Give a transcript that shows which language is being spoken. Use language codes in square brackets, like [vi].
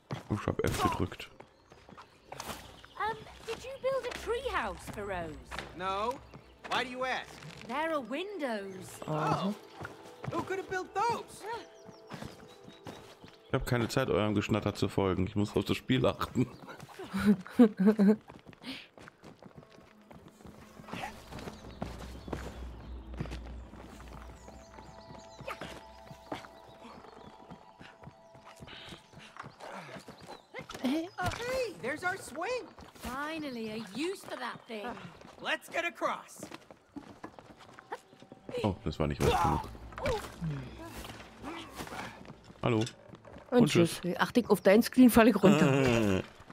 [de] Ich hab F gedrückt. [en] Did you build a treehouse for Rose? No. Why do you ask? There are windows. Oh. Who could have built those? [de] Ich habe keine Zeit, eurem Geschnatter zu folgen. Ich muss auf das Spiel achten. [en] Hey, there's our swing. Finally, a use for that thing. Let's get across. [de] Oh, das war nicht weit genug. Hallo. Und tschüss. Ach, dick auf dein Screen falle ich runter.